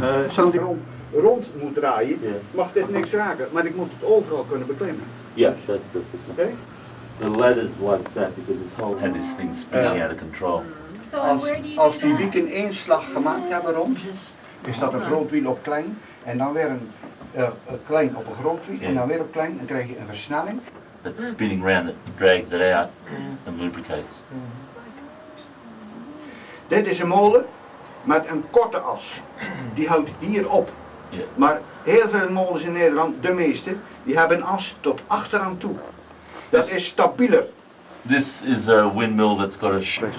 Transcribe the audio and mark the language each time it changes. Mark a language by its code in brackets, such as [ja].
[nl] Zodat ik rond moet draaien, mag dit niks raken, maar ik moet het overal kunnen beklimmen. Ja, dat is het. [en] The ladder is like that because it's holding. And this thing's spinning out of control. [nl] Als die wieken één slag gemaakt hebben rond, is dat een groot wiel op klein. En dan weer een klein op een groot wiel en dan weer op klein, dan krijg je een versnelling. [en] That spinning round it drags it out and lubricates. [nl] Dit is een molen. Met een korte as, die houdt hier op. [en] Yeah. [nl] Maar heel veel molens in Nederland, de meeste, die hebben een as tot achteraan toe. Dat is stabieler. [en] This is a windmill that's got a shock.